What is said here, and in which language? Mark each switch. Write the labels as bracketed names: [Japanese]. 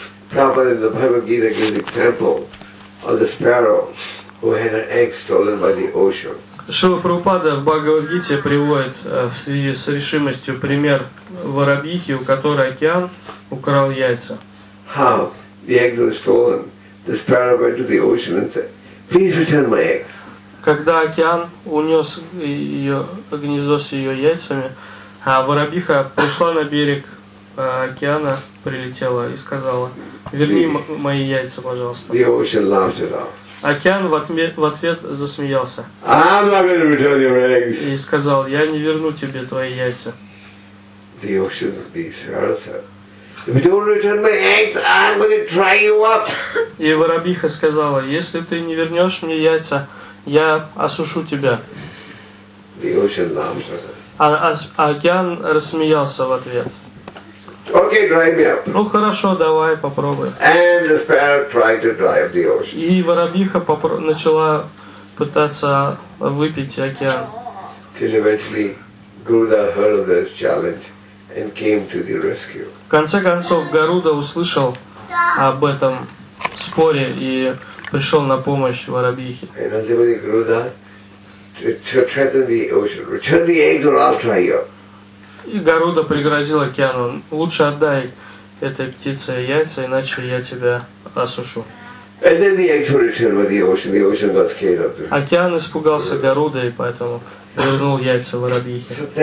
[English] Prabhupada in the Bhagavad Gita gives example of the sparrow who had an egg stolen by the ocean. [Russian] Шрила Прабхупада в Бхагавад-гите приводит в связи с решимостью пример воробьихи, у которой океан украл яйца. [English] How the eggs were stolen, the sparrow went to the ocean and said, "Please return my eggs." [Russian] Когда океан унес ее гнездо с ее яйцами, а воробьиха пришла на берег океана, прилетела и сказала, "Верни мои яйца, пожалуйста." [English] The ocean laughed it off. [Russian] Океан в ответ засмеялся. [English] I'm not going to return your eggs. [Russian] И сказал, я не верну тебе твои яйца. [English] The ocean said, if you don't return my eggs, I'm going to dry you up. [Russian] И воробьиха сказала, если ты не вернешь мне яйца, я осушу тебя. [English] The ocean laughed. [Russian] Океан рассмеялся в ответ. [English] Okay, dry me up. [Russian] Ну хорошо, давай попробуй. [English] And the sparrow tried to dry up the ocean. [Russian] И воробьиха начала пытаться выпить океан. [English] Till eventually, Garuda heard of this challenge and came to the rescue. [Russian] В конце концов, Гаруда услышал об этом споре и пришел на помощь воробьихе. [English] And as the Garuda threatened the ocean, return the eggs or I'll dry you up. [Russian] И Гаруда пригрозил океану, лучше отдай этой птице яйца, иначе я тебя осушу. Океан испугался Гаруды, и поэтому вернул яйца воробьихе.